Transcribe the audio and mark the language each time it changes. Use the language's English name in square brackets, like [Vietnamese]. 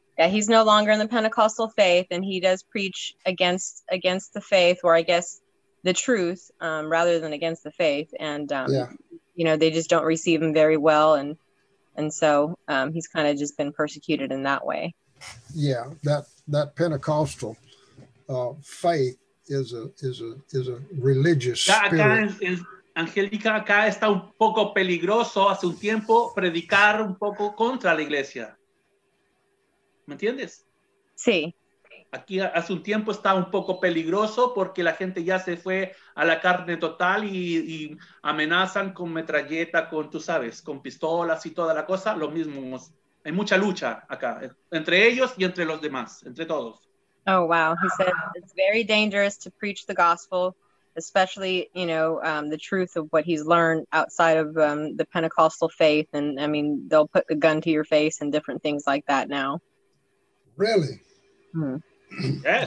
[English] Yeah, he's no longer in the Pentecostal faith, and he does preach against the faith, or I guess the truth, rather than against the faith. And you know, they just don't receive him very well, and so he's kind of just been persecuted in that way. Yeah, that Pentecostal faith is a religious spirit. [Spanish] Angélica, acá está un poco peligroso hace un tiempo predicar un poco contra la iglesia. ¿Me entiendes? Sí. Aquí hace un tiempo está un poco peligroso porque la gente ya se fue a la carne total y amenazan con metralleta, con, tú sabes, con pistolas y toda la cosa. Lo mismo, hay mucha lucha acá, entre ellos y entre los demás, entre todos. [English] Oh, wow. He said it's very dangerous to preach the gospel. Especially, you know, the truth of what he's learned outside of the Pentecostal faith. And, I mean, they'll put the gun to your face and different things like that now. Really? Hmm. Yes.